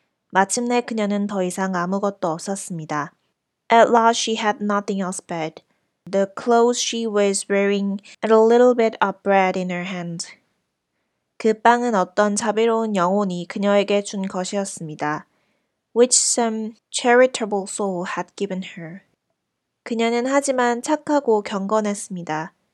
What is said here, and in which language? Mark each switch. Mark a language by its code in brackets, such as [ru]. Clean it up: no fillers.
[ko] 마침내 그녀는 더 이상 아무것도 없었습니다. [en] At last she had nothing else but the clothes she was wearing and a little bit of bread in her hand. [ko] 그 빵은 어떤 자비로운 영혼이 그녀에게 준 것이었습니다. [en] Which some charitable soul had given her. [ko] 그녀는 하지만 착하고 경건했습니다.